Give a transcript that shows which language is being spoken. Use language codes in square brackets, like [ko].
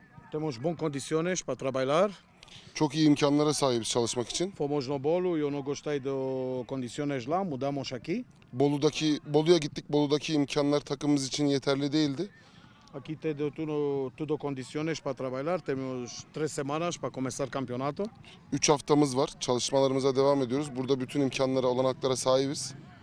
[pt] Temos bom condições para trabalhar. [tr] Çok iyi imkanlara sahibiz çalışmak için. [pt] Fomos no Bolu, eu não gostei do condições lá, mudamos aqui. [tr] Bolu'daki, Bolu'ya gittik. Bolu'daki imkanlar takımımız için yeterli değildi. [pt] Aqui te deu tudo condições para trabalhar. Temos 3 semanas para começar campeonato. [tr] 3 haftamız var. Çalışmalarımıza devam ediyoruz. Burada bütün imkanlara, olanaklara sahibiz.